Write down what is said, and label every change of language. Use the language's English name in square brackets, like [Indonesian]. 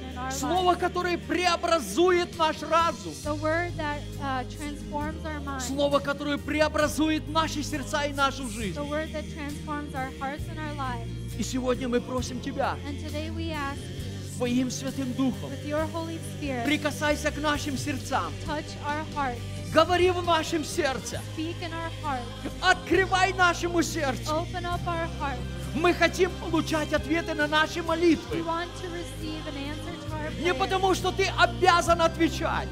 [Russian] Слово, которое преобразует наш разум. [English] The word that, transforms our mind. [Russian] Слово, которое преобразует наши сердца и нашу жизнь. [English] The word that transforms our hearts and our lives. [Russian] И сегодня мы просим Тебя [English] and today we ask [Russian] Твоим Святым Духом [English] with your Holy Spirit, [Russian] прикасайся к нашим сердцам. [English] Touch our hearts. [Russian] Говори в нашем сердце. [English] Speak in our hearts. [Russian] Открывай нашему сердцу. [English] Open up our hearts. [Russian] Мы хотим получать ответы на наши молитвы. [English] We want to receive an answer to our prayers. [Russian] Не потому, что ты обязан отвечать.